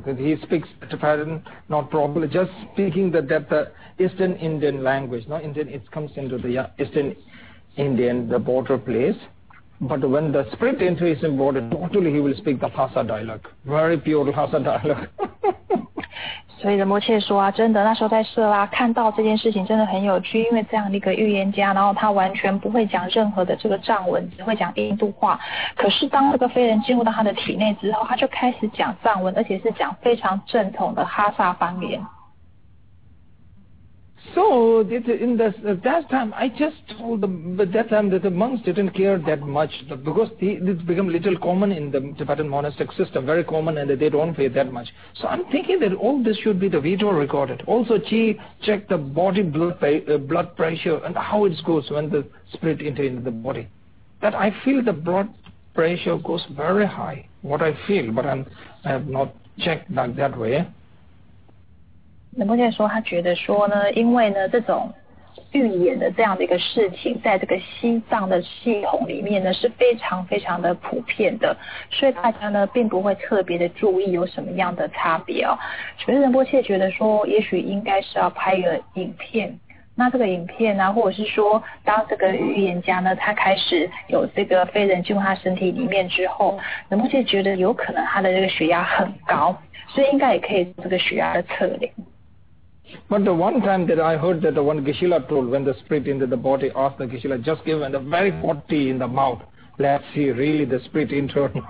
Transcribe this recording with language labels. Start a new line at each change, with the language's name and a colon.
English: He speaks Tibetan not properly, just speaking the Eastern Indian language. Not Indian, it comes into the Eastern Indian, the border place. But when the spirit enters his border, totally he will speak the Lhasa dialect, very pure Lhasa dialect.
Chinese: 所以仁波切说啊，真的那时候在色拉看到这件事情真的很有趣，因为这样的一个预言家，然后他完全不会讲任何的这个藏文，只会讲印度话，可是当这个飞人进入到他的体内之后，他就开始讲藏文，而且是讲非常正统的哈萨方言。
English: So in this, that time I just told them, but that time that the monks didn't care that much, because it became a little common in the Tibetan monastic system, very common, and they don't pay that much. So I'm thinking that all this should be the video recorded. Also, Chi check the body blood pressure and how it goes when the spirit enters into the body. That I feel the blood pressure goes very high, what I feel, but I have not checked like that way.
Chinese: 仁波切说他觉得说呢，因为呢这种预言的这样的一个事情在这个西藏的系统里面呢是非常非常的普遍的，所以大家呢并不会特别的注意有什么样的差别哦。所以仁波切觉得说也许应该是要拍一个影片，那这个影片呢、啊、或者是说当这个预言家呢他开始有这个飞人进入他身体里面之后，仁波切觉得有可能他的这个血压很高，所以应该也可以做这个血压的测量。
English: But the one time that I heard that the one Geshe-la told, when the spirit into the body, asked the Geshe-la, just give him the very hot tea in the mouth. Let's see really the spirit enter.